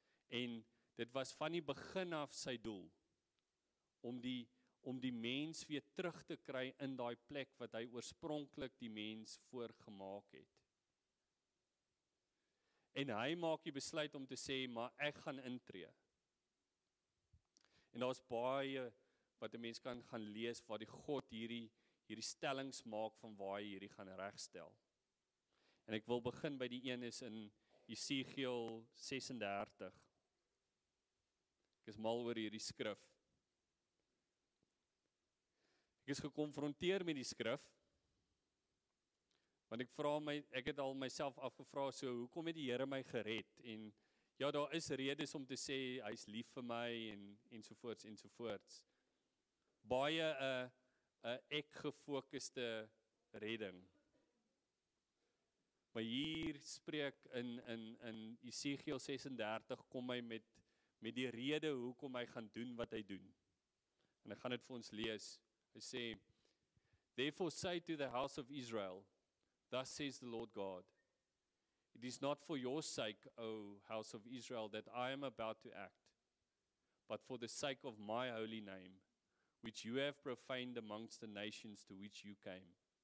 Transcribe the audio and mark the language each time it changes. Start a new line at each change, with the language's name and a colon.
Afrikaans: En dit was van die begin af sy doel om die mens weer terug te kry in daai plek wat hy oorspronklik die mens voorgemaak het. En hy maak die besluit om te sê, maar ek gaan intree. En daar is baie wat die mens kan gaan lees waar die God hierdie stellings maak van waar hy hierdie gaan regstel. En ek wil begin by die een is in Esegiël 36. Ek is mal oor hierdie skrif. Ek is gekonfronteer met die skrif Want ek vra my, ek het al myself afgevra, so hoekom het die Here my gered? En ja, daar is redes om te sê, hy is lief vir my, en sovoorts. Baie een ek-gefokuste redding. Maar hier spreek in Esegiel 36, kom hy met die rede hoekom hy gaan doen wat hy doen. En ek gaan dit vir ons lees. Hy sê,
English: "Therefore say to the house of Israel, thus says the Lord God, it is not for your sake, O house of Israel, that I am about to act, but for the sake of my holy name, which you have profaned amongst the nations to which you came.